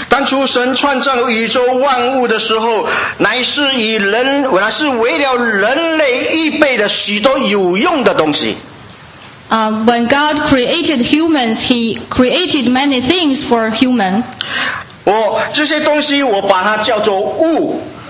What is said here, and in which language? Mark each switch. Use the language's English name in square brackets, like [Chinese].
[Chinese] 当初神创造宇宙万物的时候，乃是为了人类预备的许多有用的东西。 [English] When God created humans, He created many things for human. [Chinese] 这些东西我把它叫做物。